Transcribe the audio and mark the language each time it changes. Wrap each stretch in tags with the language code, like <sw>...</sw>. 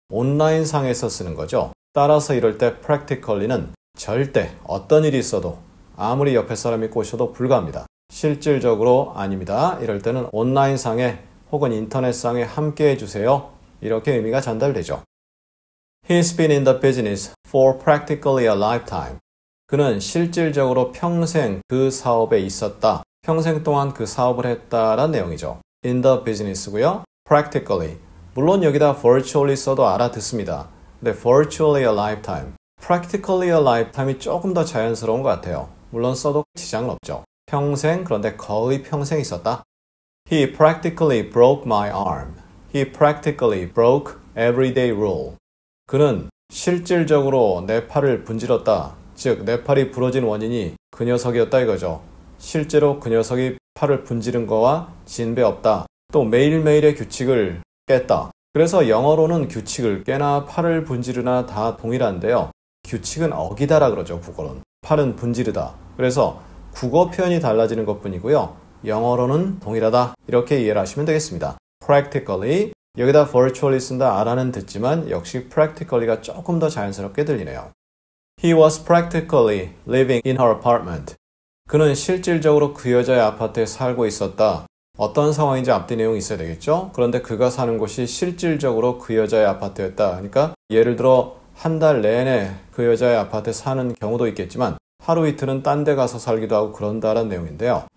<ko>온라인상에서 쓰는 거죠. 따라서 이럴 때 practically는 절대 어떤 일이 있어도 아무리 옆에 사람이 꼬셔도 불가합니다. 실질적으로 아닙니다. 이럴 때는 온라인상에 혹은 인터넷상에 함께 해주세요. 이렇게 의미가 전달되죠.</ko> <en>He's been in the business for practically a lifetime.</en> <ko>그는 실질적으로 평생 그 사업에 있었다. 평생 동안 그 사업을 했다란 내용이죠.</ko> <en>In the business</en> <ko>고요.</ko> <en>Practically.</en> <ko>물론 여기다 virtually 써도 알아듣습니다. 근데</ko> <en>virtually a lifetime. Practically a lifetime</en> <ko>이 조금 더 자연스러운 것 같아요. 물론 써도 지장은 없죠. 평생, 그런데 거의 평생 있었다.</ko> <en>He practically broke my arm. He practically broke everyday rule.</en> <ko>그는 실질적으로 내 팔을 분질렀다. 즉, 내 팔이 부러진 원인이 그 녀석이었다 이거죠. 실제로 그 녀석이 팔을 분지른 거와 진배없다. 또 매일매일의 규칙을 깼다. 그래서 영어로는 규칙을 깨나 팔을 분지르나 다 동일한데요. 규칙은 어기다라 그러죠, 국어는. 팔은 분지르다. 그래서 국어 표현이 달라지는 것뿐이고요. 영어로는 동일하다. 이렇게 이해를 하시면 되겠습니다. Practically, 여기다 virtually 쓴다 아라는 듣지만 역시 practically가 조금 더 자연스럽게 들리네요.</ko> <en>He was practically living in her apartment.</en> <ko>그는 실질적으로 그 여자의 아파트에 살고 있었다. 어떤 상황인지 앞뒤 내용이 있어야 되겠죠? 그런데 그가 사는 곳이 실질적으로 그 여자의 아파트였다. 그러니까 예를 들어 한 달 내내 그 여자의 아파트에 사는 경우도 있겠지만 하루 이틀은 딴 데 가서 살기도 하고 그런다라는 내용인데요.</ko>